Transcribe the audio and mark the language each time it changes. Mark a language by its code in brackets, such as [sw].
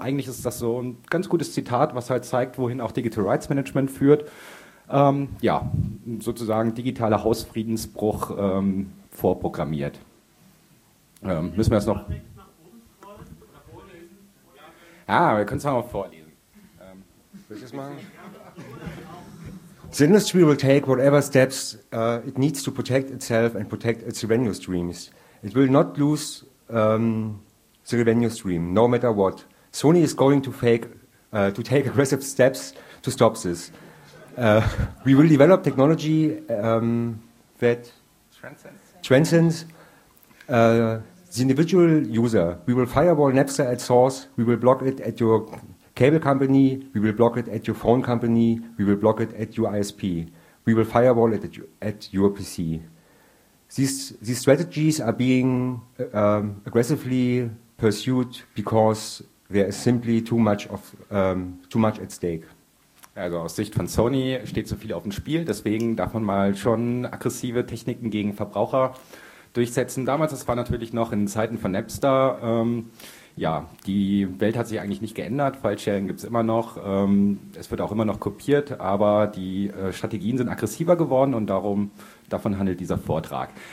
[de] Eigentlich ist das so ein ganz gutes Zitat, was halt zeigt, wohin auch Digital Rights Management führt. Ja, sozusagen digitaler Hausfriedensbruch vorprogrammiert. Müssen wir das noch? Ja, wir können es mal vorlesen. Willst du es machen? [en] The industry will take whatever steps it needs to protect itself and protect its revenue streams. It will not lose the revenue stream, no matter what. Sony is going to take aggressive steps to stop this. We will develop technology that transcends the individual user. We will firewall Napster at source. We will block it at your cable company. We will block it at your phone company. We will block it at your ISP. We will firewall it at your PC. These strategies are being aggressively pursued because there is simply too much of too much at stake. [de] Also aus Sicht von Sony steht so viel auf dem Spiel, deswegen darf man mal schon aggressive Techniken gegen Verbraucher durchsetzen. Damals, das war natürlich noch in Zeiten von Napster, ja, die Welt hat sich eigentlich nicht geändert, File-Sharing gibt es immer noch, es wird auch immer noch kopiert, aber die Strategien sind aggressiver geworden und davon handelt dieser Vortrag.